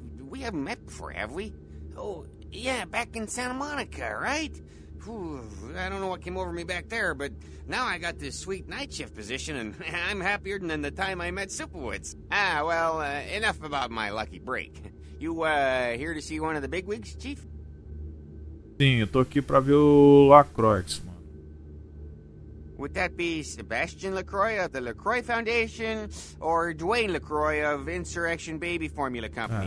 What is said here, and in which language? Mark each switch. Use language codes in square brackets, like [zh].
[en] We haven't met before, have we? Oh, yeah, back in Santa Monica, right? I don't know what came over me back there, but now I got this sweet night shift position, and I'm happier than the time I met Superwoods. Ah, well, enough about my lucky break. You, here to see one of the bigwigs, Chief? [pt] Sim, eu tô aqui pra ver o Lacroix, [en] Would that be Sebastian LaCroix of the LaCroix Foundation or Dwayne LaCroix of Insurrection Baby Formula Company?